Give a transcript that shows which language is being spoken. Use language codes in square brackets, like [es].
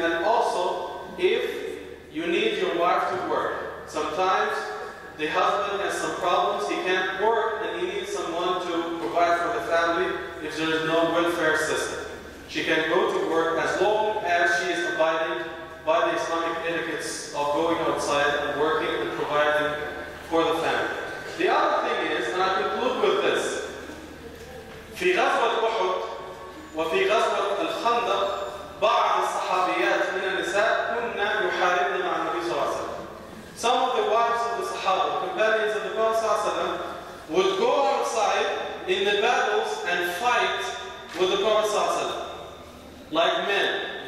[en] And also, if you need your wife to work, sometimes the husband has some problems, he can't work, and he needs someone to provide for the family if there is no welfare system. She can go to work as long as she is abiding by the Islamic etiquettes of going outside and working and providing for the family. The other thing is, and I conclude with this, [ar] في غزوة أحد وفي غزوة الخندق بعض الصحابيات من النساء كنا يحاربن مع النبي صلى الله عليه وسلم. [en] Some of the wives of the Sahaba, companions of the Prophet ﷺ, would go outside in the battles and fight with the Prophet ﷺ, like men.